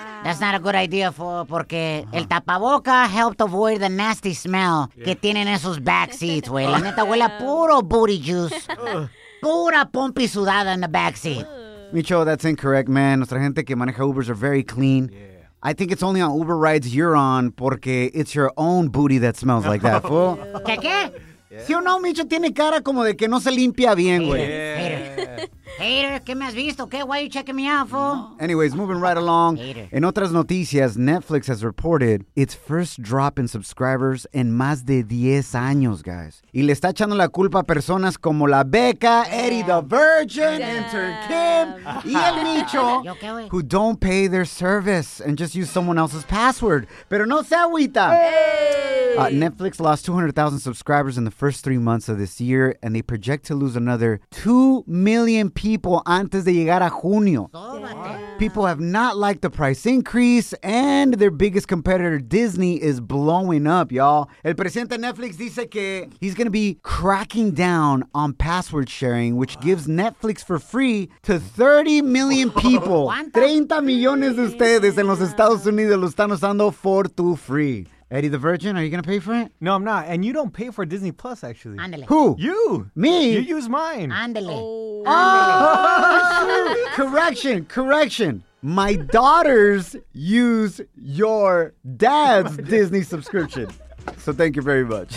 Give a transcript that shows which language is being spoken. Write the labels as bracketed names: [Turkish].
[English] That's not a good idea, [Spanish] porque el tapaboca [English] helped avoid the nasty smell [Spanish] que tienen esos [English] back seats, güey. [Spanish] La neta huele a puro booty juice. Pura pompi sudada [English] in the back seat. Micho, that's incorrect, man. [Spanish] Nuestra gente que maneja [English] Ubers are very clean. Yeah. I think it's only on Uber rides you're on porque it's your own booty that smells like that, fool. [Spanish] ¿Qué, qué? [English] Yeah. [Spanish] Si o no, Micho, tiene cara como de que no se limpia bien, güey. [English] Hater. Hater, [Spanish] ¿qué me has visto? ¿Qué? [English] Why are you checking me out, fool? No. Anyways, moving right along. Hater. [Spanish] En otras noticias, [English] Netflix has reported its first drop in subscribers in [Spanish] más de 10 años, [English] guys. [Spanish] Y le está echando la culpa a personas como la Becca, Eddie the Virgin, Enter Kim, y el Micho, [English] who don't pay their service and just use someone else's password. [Spanish] Pero no se agüita. [English] Hey. Netflix lost 200,000 subscribers in the first 3 months of this year, and they project to lose another 2 million people [Spanish] antes de llegar a junio. [English] People have not liked the price increase, and their biggest competitor, Disney, is blowing up, y'all. [Spanish] El presidente de Netflix dice que [English] he's going to be cracking down on password sharing, which gives Netflix for free to 30 million people. [Spanish] 30 millones de ustedes en los Estados Unidos lo están usando [English] for too free. Eddie the Virgin, are you going to pay for it? No, I'm not. And you don't pay for Disney Plus, actually. [Spanish] Andale. [English] Who? You. Me? You use mine. [Spanish] Andale. [English] Oh, correction. My daughters use your dad's Disney subscription. So thank you very much.